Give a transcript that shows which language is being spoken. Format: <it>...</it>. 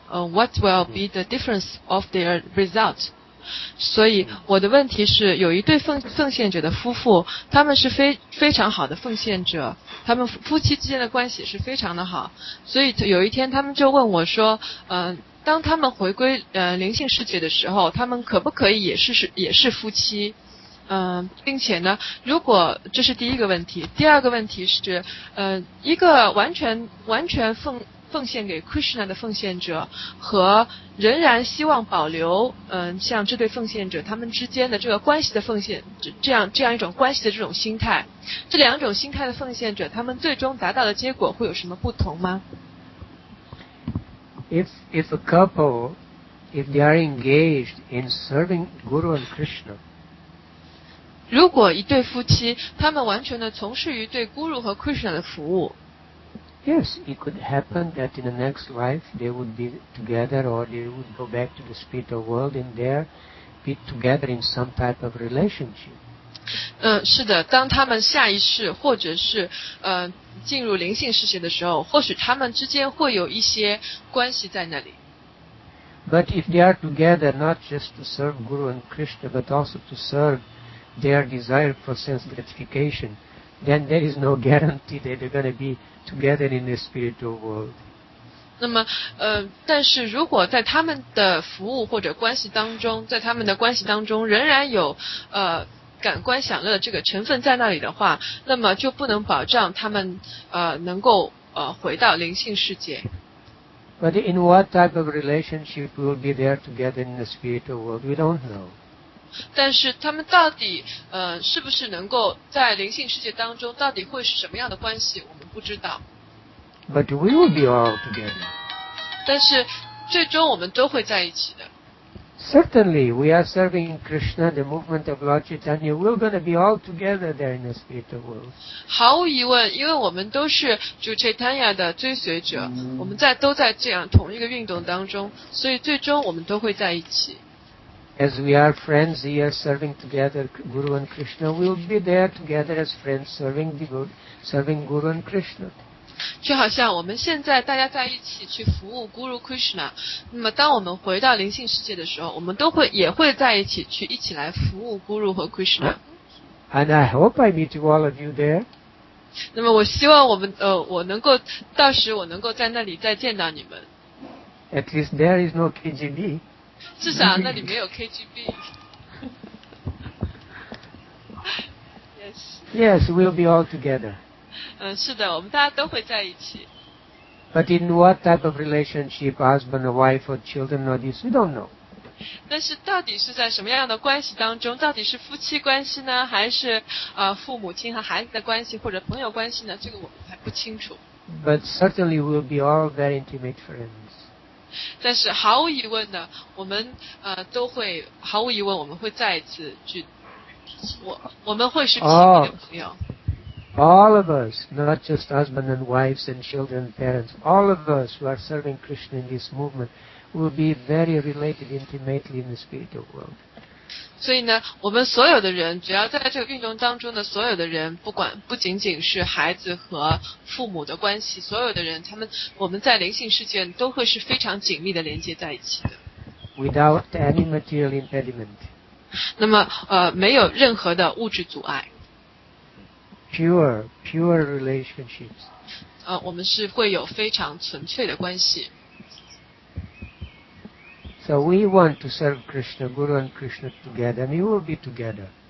<en>What will be the difference of their result?</en> <zh>所以我的问题是，有一对奉献者的夫妇，他们是非常好的奉献者，他们夫妻之间的关系是非常的好。所以有一天他们就问我说，当他们回归灵性世界的时候，他们可不可以也是夫妻？并且呢，如果这是第一个问题，第二个问题是，一个完全完全奉奉献给 Krishna 的奉献者和仍然希望保留像这对奉献者他们之间的这个关系的奉献，这样一种关系的这种心态，这两种心态的奉献者他们最终达到的结果会有什么不同吗？</zh> <en>If a couple, if they are engaged in serving Guru and Krishna,</en> <zh>如果一对夫妻他们完全的从事于对 Guru 和 Krishna 的服务，</zh> <en>Yes, it could happen that in the next life they would be together or they would go back to the spiritual world and there be together in some type of relationship.</en> <zh>是的，当他们下一世或者是进入灵性世界的时候，或许他们之间会有一些关系在那里。</zh> <en>But if they are together not just to serve Guru and Krishna but also to serve their desire for sense gratification, then there is no guarantee that they're going to be together in the spiritual world.</en> <zh>那么但是如果在他们的服务或者关系当中，在他们的关系当中仍然有感官享乐这个成分在那里的话，那么就不能保障他们能够回到灵性世界。</zh> <en>But in what type of relationship will be there together in the spiritual world, we don't know.</en> <zh>但是他们到底是不是能够在灵性世界当中到底会是什么样的关系我们不知道。</zh> <en>But we will be all together.</en> <zh>但是最终我们都会在一起的。</zh> <en>Certainly, we are serving Krishna, the movement of Lord Chaitanya. We're going to be all together there in the spiritual world.</en> <zh>毫无疑问，因为我们都是主 Chaitanya 的追随者，我们都在这样同一个运动当中，所以最终我们都会在一起。</zh> <en>As we are friends here serving together Guru and Krishna, we will be there together as friends serving Guru and Krishna.</en> <zh>就好像我们现在大家在一起去服务 Guru Krishna, 那么当我们回到灵性世界的时候，我们都会也会在一起去一起来服务 Guru 和 Krishna.</zh> <en>And I hope I meet all of you there.</en> <zh>那么我希望我能够到时我能够在那里再见到你们。</zh> <en>At least there is no KGB.</en> <zh>至少那里没有 KGB.</zh> <en>Yes. Yes, we'll be all together.</en> <zh>是的，我们大家都会在一起。</zh> <en>But in what type of relationship, husband, wife, or children, or this, we don't know.</en> <zh>但是到底是在什么样的关系当中，到底是夫妻关系呢，还是父母亲和孩子的关系，或者朋友关系呢？这个我们还不清楚。</zh> <en>But certainly we'll be all very intimate friends.</en> <zh>但是毫无疑问的，我们都会毫无疑问，我们会再一次去，我们会是亲密的朋友。</zh> <en>All of us, not just husband and wives and children and parents, all of us who are serving Krishna in this movement will be very related intimately in the spiritual world.</en> <zh>所以呢，我们所有的人，只要在这个运动当中的所有的人，不仅仅是孩子和父母的关系，所有的人，我们在灵性世界都会是非常紧密的连接在一起的。</zh> <en>Without any material impediment.</en> <zh>那么没有任何的物质阻碍。</zh> <en>Pure relationships.</en> <zh>我们是会有非常纯粹的关系。</zh> <en>So we want to serve Krishna, Guru and Krishna together, and we will be together.</en>